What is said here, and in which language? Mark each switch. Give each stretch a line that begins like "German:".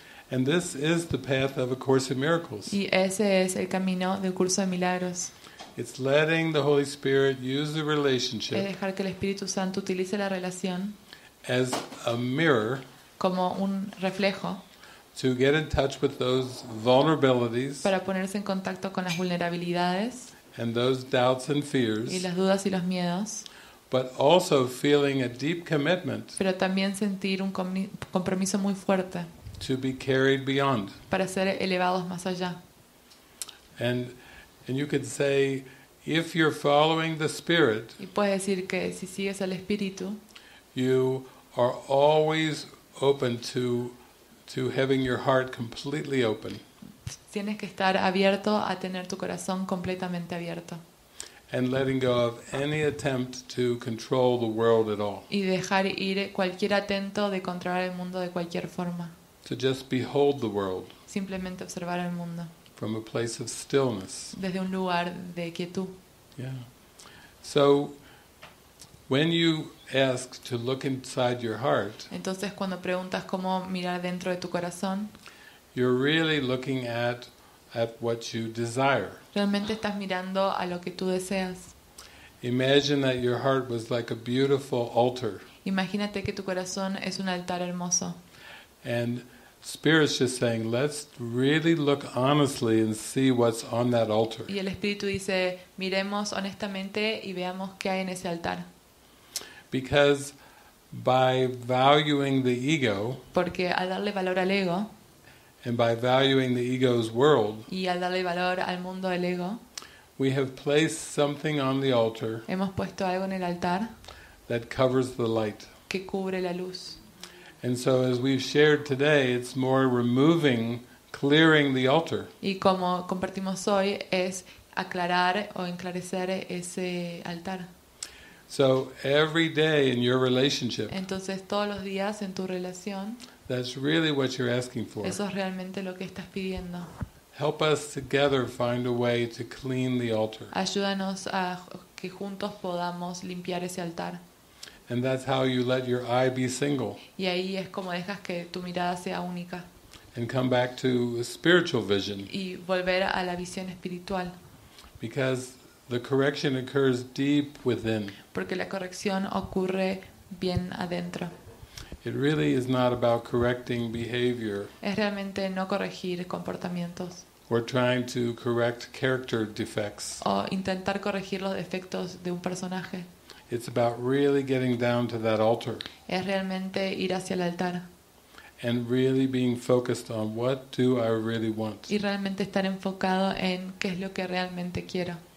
English: and this is the path of A Course in Miracles,
Spanish: y ese es el camino del curso de milagros,
English: it's letting the Holy Spirit use the relationship,
Spanish: es dejar que el Espíritu Santo utilice la relación,
English: as a mirror,
Spanish: como un reflejo.
English: To get in touch with those vulnerabilities,
Spanish: para ponerse en contacto con las vulnerabilidades,
English: and those doubts and fears,
Spanish: y las dudas y los miedos,
English: but also feeling a deep commitment,
Spanish: pero también sentir un compromiso muy fuerte,
English: to be carried beyond,
Spanish: para ser elevados más allá.
English: And you could say, if you're following the Spirit,
Spanish: y puedes decir que si sigues al Espíritu,
English: you are always open to having your heart completely open.
Spanish: Tienes que estar abierto a tener tu corazón completamente abierto.
English: And letting go of any attempt to control the world at all.
Spanish: Y dejar ir cualquier intento de controlar el mundo de cualquier forma.
English: To just behold the world.
Spanish: Simplemente observar el mundo.
English: From a place of stillness.
Spanish: Desde un lugar de quietud.
English: Yeah. So when you ask to look inside your heart,
Spanish: entonces cuando preguntas cómo mirar dentro de tu corazón,
English: you're really looking at what you desire.
Spanish: Realmente estás mirando a lo que tú deseas.
English: Imagine that your heart was like a beautiful altar.
Spanish: Imagínate que tu corazón es un altar hermoso.
English: And Spirit's just saying, let's really look honestly and see what's on that altar.
Spanish: Y el Espíritu dice, miremos honestamente y veamos qué hay en ese altar.
English: Because by valuing the ego,
Spanish: porque al darle valor al ego,
English: and by valuing the ego's world,
Spanish: y al darle valor al mundo del ego,
English: we have placed something on the altar,
Spanish: hemos puesto algo en el altar,
English: that covers the light,
Spanish: que cubre la luz.
English: And so, as we've shared today, it's more removing, clearing the altar.
Spanish: Y como compartimos hoy es aclarar o enclarecer ese altar.
English: So every day in your relationship.
Spanish: Entonces todos los días en tu relación.
English: That's really what you're asking for.
Spanish: Eso es realmente lo que estás pidiendo.
English: Help us together find a way to clean the altar.
Spanish: Ayúdanos a que juntos podamos limpiar ese altar.
English: And that's how you let your eye be single.
Spanish: Y ahí es como dejas que tu mirada sea única.
English: And come back to a spiritual vision.
Spanish: Y volver a la visión espiritual.
English: Because the correction occurs deep within.
Spanish: Porque la corrección ocurre bien adentro.
English: It really is not about correcting behavior.
Spanish: Es realmente no corregir comportamientos.
English: We're trying to correct character defects.
Spanish: O intentar corregir los defectos de un personaje.
English: It's about really getting down to that altar.
Spanish: Es realmente ir hacia el altar.
English: And really being focused on what do I really want.
Spanish: Y realmente estar enfocado en qué es lo que realmente quiero.